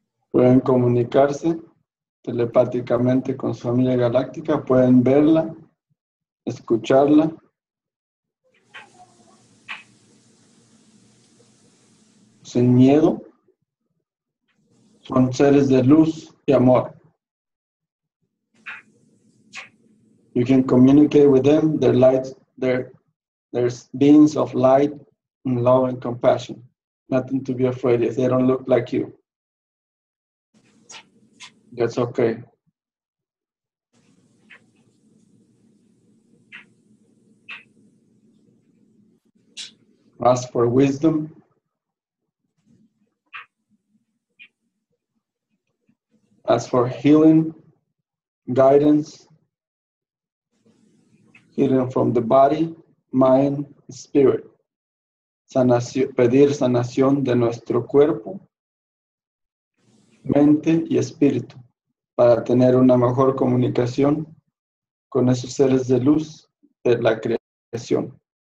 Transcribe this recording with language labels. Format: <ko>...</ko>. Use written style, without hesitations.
<es>Pueden comunicarse telepáticamente con su familia galáctica, pueden verla, escucharla. Sin miedo, son seres de luz y amor.</es> <en>You can communicate with them, their light, their beings of light and love and compassion. Nothing to be afraid if they don't look like you. That's okay. Ask for wisdom. Ask for healing, guidance, healing from the body, mind, spirit.</en> <es>Pedir sanación de nuestro cuerpo, mente y espíritu para tener una mejor comunicación con esos seres de luz de la creación.</es>